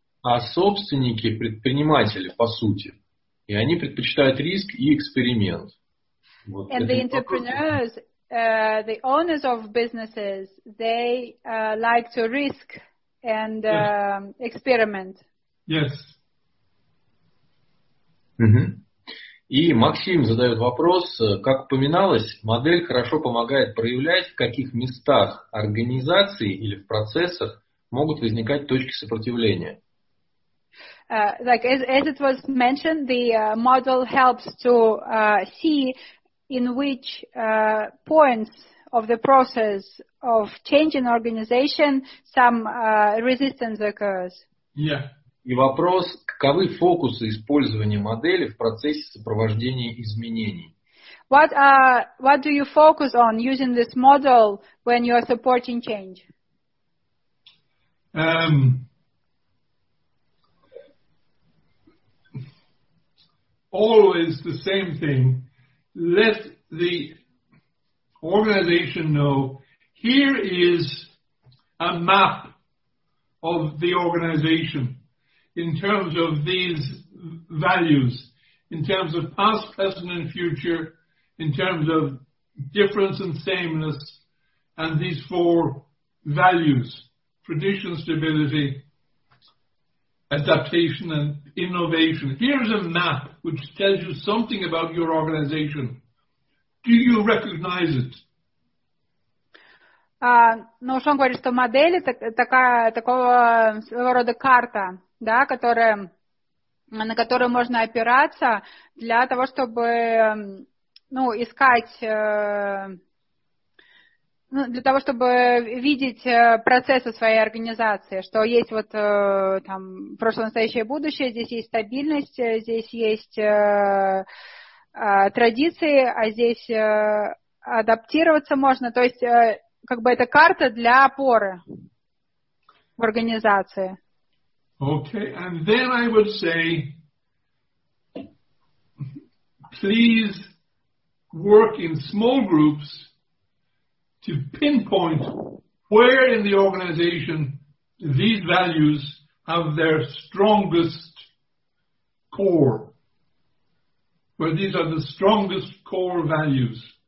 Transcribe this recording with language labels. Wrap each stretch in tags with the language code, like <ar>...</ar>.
<ru>А собственники – предприниматели, по сути. И они предпочитают риск и эксперимент. Вот.</ru> <en>And the entrepreneurs, the owners of businesses, they like to risk and experiment. Yes.</en> <ru>И Максим задает вопрос. Как упоминалось, модель хорошо помогает проявлять, в каких местах организации или в процессах могут возникать точки сопротивления.</ru> <en>Like as it was mentioned, the model helps to see in which points of the process of changing organization some resistance occurs. Yeah.</en> <ru>И вопрос, каковы фокусы использования модели в процессе сопровождения изменений?</ru> <en>What do you focus on using this model when you are supporting change? Always the same thing. Let the organization know, here is a map of the organization. In terms of these values, in terms of past, present, and future, in terms of difference and sameness, and these four values, tradition, stability, adaptation, and innovation. Here's a map which tells you something about your organization. Do you recognize it?</en> <ru>Шон говорит, что модель такого своего рода карта. Да, на которую можно опираться для того, чтобы искать Ну, для того, чтобы видеть процессы своей организации, что есть вот там прошлое, настоящее, будущее, здесь есть стабильность, здесь есть традиции, а здесь адаптироваться можно. То есть как бы это карта для опоры в организации.</ru> <en>Okay, and then I would say, please work in small groups to pinpoint where in the organization these values have their strongest core, where these are the strongest core values.</en>